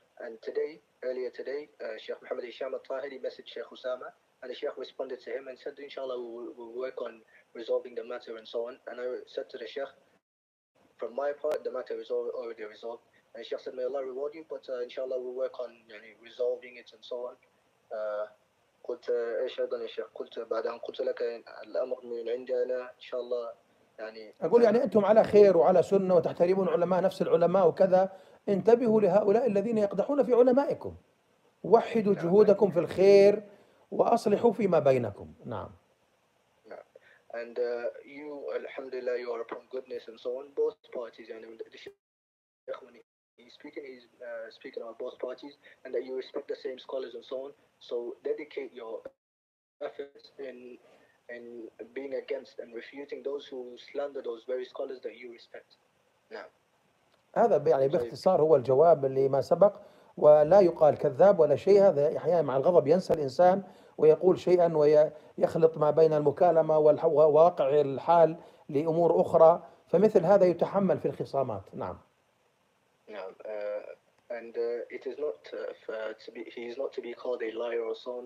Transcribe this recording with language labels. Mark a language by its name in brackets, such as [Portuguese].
[English] And today, earlier today, Sheikh Muhammad Hisham al-Tahiri messaged Sheikh Usama, and the Sheikh responded to him and said, inshallah, we'll work on resolving the matter and so on. And I said to the Sheikh, from my part, the matter is already resolved. And the Sheikh said, may Allah reward you, but inshallah, we'll work on resolving it and so on. [Arabic] قلت أشهد أن الشيخ قلت بعد أن قلت لك الأمر من عندي أنا إن شاء الله أقول أنتم على خير وعلى سنة وتحترمون علماء نفس العلماء وكذا، انتبهوا لهؤلاء الذين يقدحون في علمائكم، وحدوا جهودكم في الخير وأصلحوا فيما بينكم. نعم. [English] And you, alhamdulillah, you are upon goodness and so on. Both parties, يعني the Sheikh, when he's speaking about both parties, and that you respect the same scholars and so on. So dedicate your efforts in being against and refuting those who slander those very scholars that you respect. [Arabic] نعم. هذا يعني باختصار هو الجواب اللي ما سبق، ولا يقال كذاب ولا شيء. هذا أحيانا مع الغضب ينسى الإنسان ويقول شيئا ويخلط ما بين المكالمة وواقع الحال لأمور أخرى، فمثل هذا يتحمل في الخصامات. نعم. نعم. [English] And it is not he is not to be called a liar or so on.